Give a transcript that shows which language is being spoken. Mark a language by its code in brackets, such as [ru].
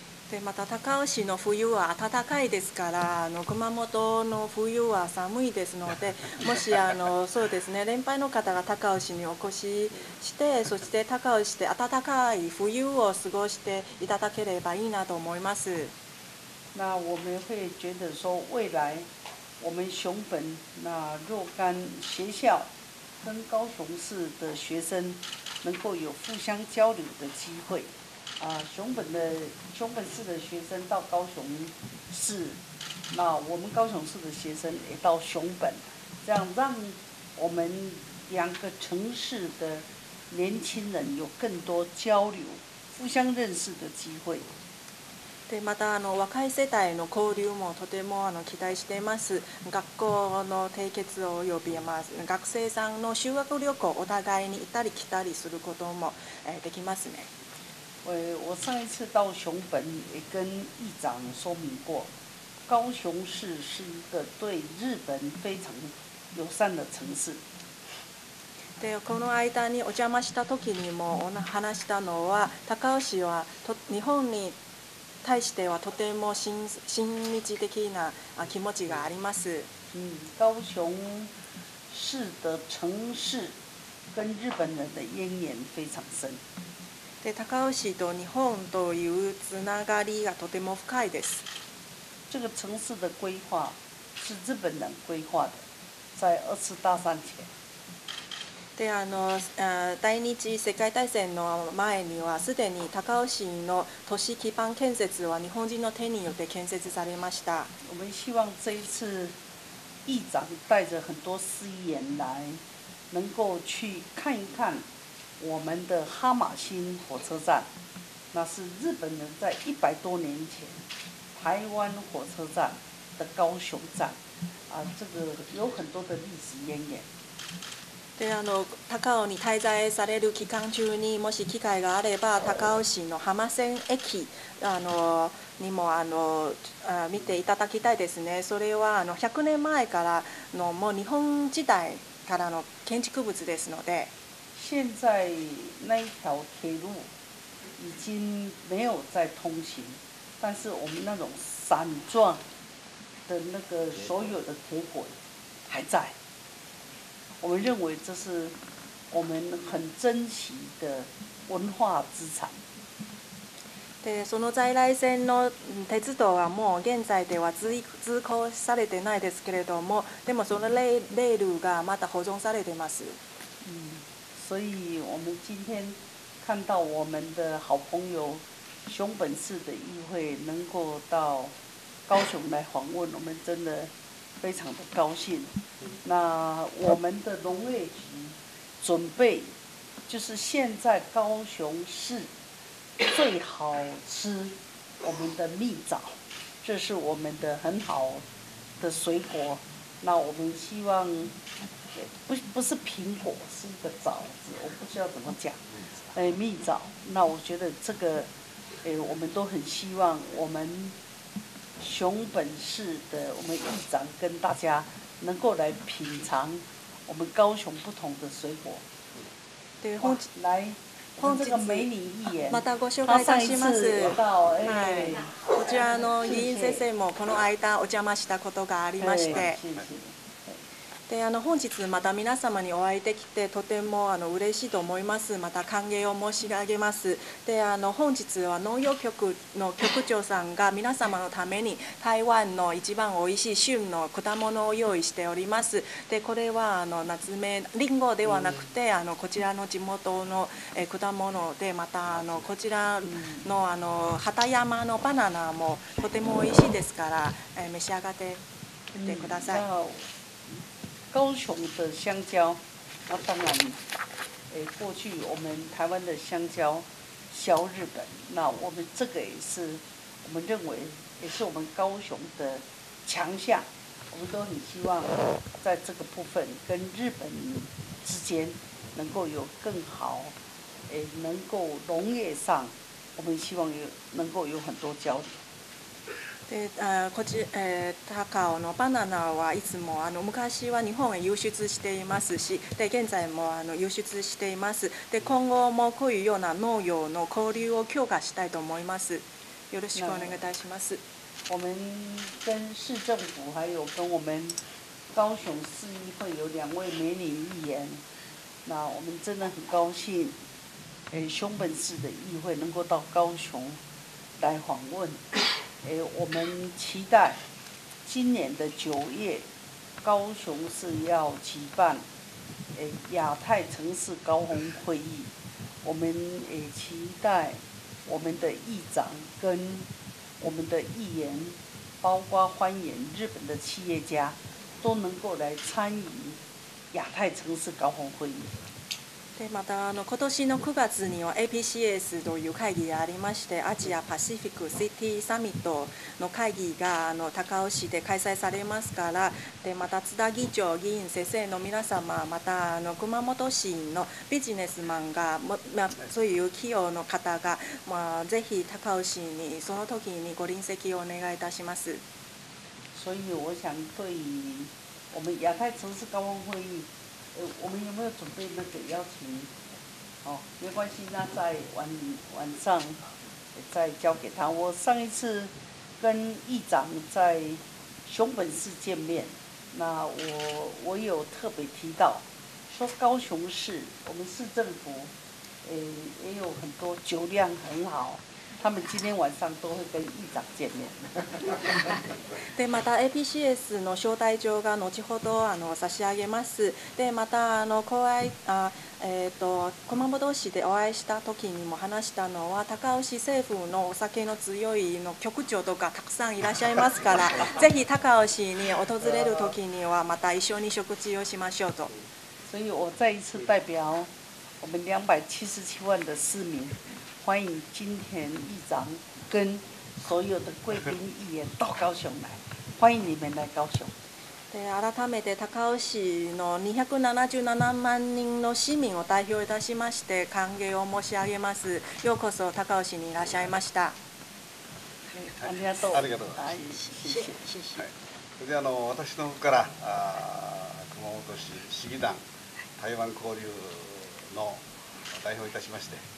[ja] でまた高雄市の冬は暖かいですから、熊本の冬は寒いですので、もしそうですね、連敗の方が高雄市にお越しして、そして高雄市で暖かい冬を過ごしていただければいいなと思います。 [zh] 那我们会觉得说，未来我们熊本那若干学校跟高雄市的学生能够有互相交流的机会。啊，熊本市的学生到高雄市，那我们高雄市的学生也到熊本，这样让我们两个城市的年轻人有更多交流、互相认识的机会。 [ja] でまた若い世代の交流もとても期待しています。学校の締結を呼びます。学生さんの修学旅行お互いに行ったり来たりすることもできますね。 [zh] 我上一次到熊本也跟议长说明过，高雄市是一个对日本非常友善的城市。 [ja] でこの間にお邪魔した時にも話したのは、高雄市は日本に対してはとても親日的な気持ちがあります。 [zh] 高雄市的城市跟日本人的渊源非常深。 [ja] で高雄市と日本というつながりがとても深いです。 [zh] 这个城市的规划是日本人规划的，在二次大战前。 [ja] で第二次世界大戦の前にはすでに高雄市の都市基盤建設は日本人の手によって建設されました。 [zh] 我们希望这一次议长带着很多司仪员来，能够去看一看。我们的哈马星火车站，那是日本人在100多年前台湾火车站的高雄站，啊，这个有很多的历史渊源。 [ja] で、高雄に滞在される期間中にもし機会があれば、高雄市の浜線駅にも見ていただきたいですね。それは100年前からのもう日本時代からの建築物ですので。 [zh] 现在那一条铁路已经没有在通行，但是我们那种伞状的那个所有的铁轨还在。我们认为这是我们很珍惜的文化资产。 [ja] でその在来線の鉄道はもう現在では通行されてないですけれども、でもそのレールがまた保存されてます。 [zh] 所以我们今天看到我们的好朋友熊本市的议会能够到高雄来访问，我们真的非常的高兴。那我们的农业局准备，就是现在高雄市最好吃我们的蜜枣，这是我们的很好的水果。那我们希望。不是苹果，是一个枣子，我不知道怎么讲。蜜枣，那我觉得这个，我们都很希望我们熊本市的我们议长跟大家能够来品尝我们高雄不同的水果。对，来，看这个美女议员， [ja] またご紹介いたします。 [zh] 上一次有到， [ja] こちらの議員先生もこの間お邪魔したことがありまして。で本日また皆様にお会いできてとても嬉しいと思います。また歓迎を申し上げます。で本日は農業局の局長さんが皆様のために台湾の一番おいしい旬の果物を用意しております。でこれは夏目リンゴではなくてこちらの地元の果物でまたこちらの畑山のバナナもとてもおいしいですから召し上がってください。 [zh] 高雄的香蕉，那当然，过去我们台湾的香蕉销日本，那我们这个也是，我们认为也是我们高雄的强项，我们都很希望在这个部分跟日本之间能够有更好，能够农业上，我们希望有能够有很多交流。 [ja] で、こっち、高尾のバナナはいつも昔は日本へ輸出していますし、で現在も輸出しています。で今後もこういうような農業の交流を強化したいと思います。よろしくお願いいたします。 [zh] 我们跟市政府还有跟我们高雄市议会有两位美女议员，那我们真的很高兴，熊本市的议会能够到高雄来访问，我们期待今年的九月，高雄市要举办，亚太城市高峰会议，我们也期待我们的议长跟我们的议员，包括欢迎日本的企业家，都能够来参与亚太城市高峰会议。 [ja] でまた今年の9月には APCS という会議がありまして、アジアパシフィックシティサミットの会議が高尾市で開催されますから、でまた津田議長議員先生の皆様、また熊本市のビジネスマンが、まあ、そういう企業の方が、まあ、ぜひ高尾市にその時にご臨席をお願いいたします。 [zh] 所以我想对我们亚太城市高峰会议，我们有没有准备那个邀请？哦，没关系，那在晚上再交给他。我上一次跟议长在熊本市见面，那我有特别提到，说高雄市我们市政府，也有很多酒量很好。他们今天晚上都会跟议长见面。 [ja] でまた APCS の招待状が後ほど差し上げます。でまた熊本市でお会いした時にも話したのは、高尾市政府のお酒の強いの局長とかたくさんいらっしゃいますから、ぜひ高尾市に訪れる時にはまた一緒に食事をしましょうと。 [zh] 所以我再一次代表我们277万的市民。欢迎今天议长跟所有的贵宾议员到高雄来，欢迎你们来高雄。 [ja] で改めて高雄市の277万人の市民を代表いたしまして歓迎を申し上げます。ようこそ高雄市にいらっしゃいました。ありがとう。ありがとうございます。はい。で私の方から熊本市市議団台湾交流の代表いたしまして。